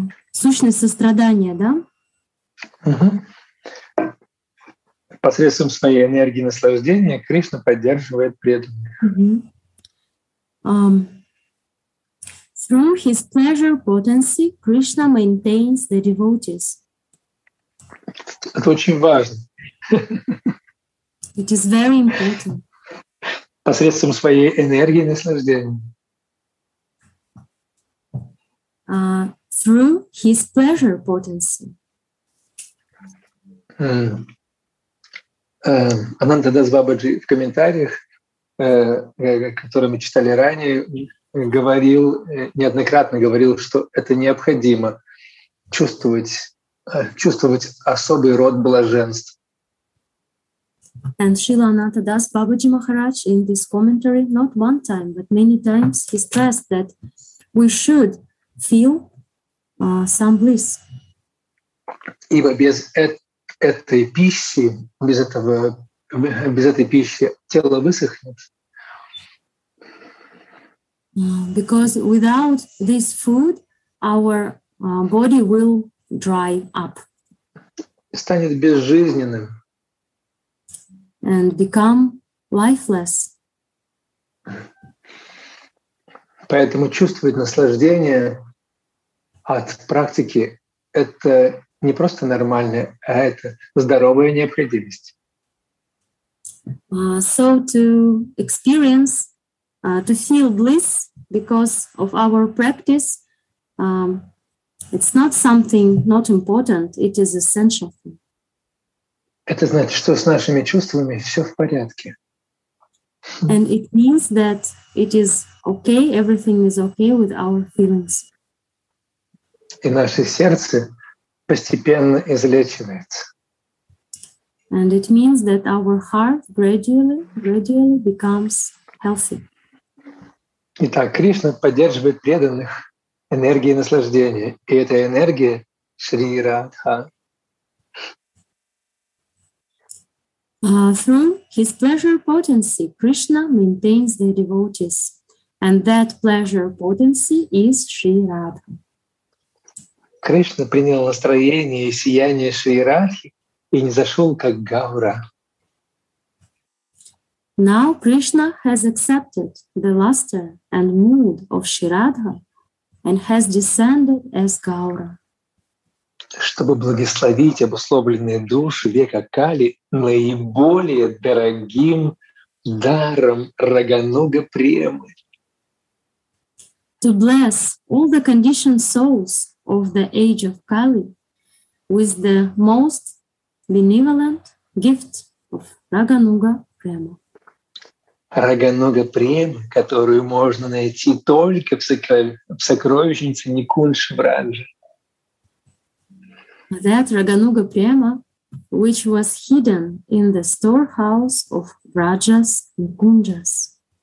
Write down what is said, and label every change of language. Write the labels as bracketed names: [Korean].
[Russian] Сущность сострадания, да? Угу. Посредством своей энергии наслаждения Кришна поддерживает преданных. Угу. [English] Through his pleasure potency, Krishna maintains the devotees. [Russian] Это очень важно. [English] It is very important. [Russian] Посредством своей энергии наслаждения. [English] Through his pleasure potency. [Russian] Ананда Дас Бабаджи в комментариях который мы читали ранее, говорил, неоднократно говорил, что это необходимо чувствовать особый род блаженства. [English] And Srila Ananta Das Babaji Maharaj in this commentary, not one time, but many times, he stressed that we should feel some bliss. [Russian] Ибо без этой пищи, без этой пищи тело высохнет. [English] Because without this food, our body will dry up. [Russian] Станет безжизненным. [English] And become lifeless. [Russian] Поэтому чувствовать наслаждение от практики – это не просто нормальное, а это здоровая необходимость. [English] So to experience, to feel bliss because of our practice, it's not something not important, it is essential thing. [Russian] Это значит, что с нашими чувствами все в порядке. [English] And it means that it is okay, everything is okay with our feelings. [Russian] И наше сердце постепенно излечивается. [English] And it means that our heart gradually becomes healthy. [Russian] Итак, Кришна поддерживает преданных энергией наслаждения, и эта энергия Шри Радха. [English] Through his pleasure potency, Krishna maintains the devotees, and that pleasure potency is Sri Radha. [Russian] Krishna принял настроение и сияние Шри Радхи и не зашел как Гаура. [English] Now Krishna has accepted the luster and mood of Sri Radha and has descended as Gaura. [Russian] Чтобы благословить обусловленные души века Кали наиболее дорогим даром Рагануга Премы. [English] To bless all the conditioned souls of the age of Kali with the most benevolent gift of Рагануга Прему. [Russian] Рагануга Премы, которую можно найти только в сокровищнице Никунш Вранжа. [English] That Raganuga Prema, which was hidden in the storehouse of Rajas and Kunjas.